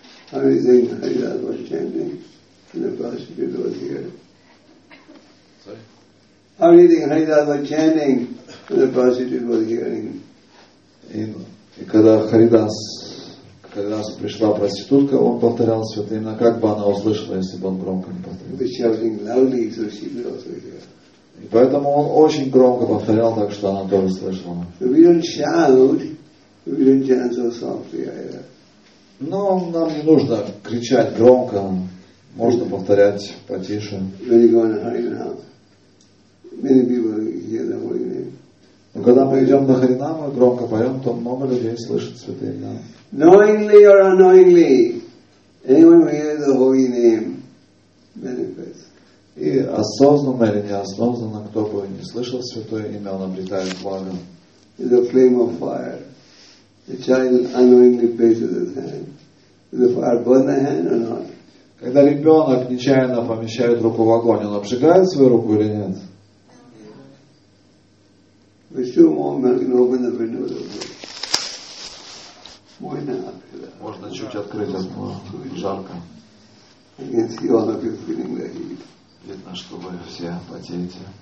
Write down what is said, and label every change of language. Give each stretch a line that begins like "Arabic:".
Russian: И когда Харидас пришла проститутка, он повторял святые имена, как бы она услышала, если бы он громко не повторил. И поэтому он очень громко повторял, так что она тоже слышала.
English: We don't shout, we don't chant so softly either.
Russian: Но нам не нужно кричать громко, можно повторять потише.
English: When you go on Харинаму, many people hear the holy name.
Russian: Но когда мы идем на Харинаму и громко поем, то много людей слышит святые имена.
English: Knowingly or unknowingly, anyone who hears the holy name benefits.
Russian: И осознанно или неосознанно, кто бы не слышал святое имя, он обретает благо.
English: It's a flame of fire. The child unknowingly places his hand. Does the fire burn the hand or not?
Russian: Когда ребенок нечаянно помещает руку в огонь, он обжигает свою руку или нет?
English: With two more milk and open the window a little bit.
Russian: Можно чуть открыть окно. Жарко.
English: I can see all of you feeling the heat.
Russian: Видно, что вы все потеете.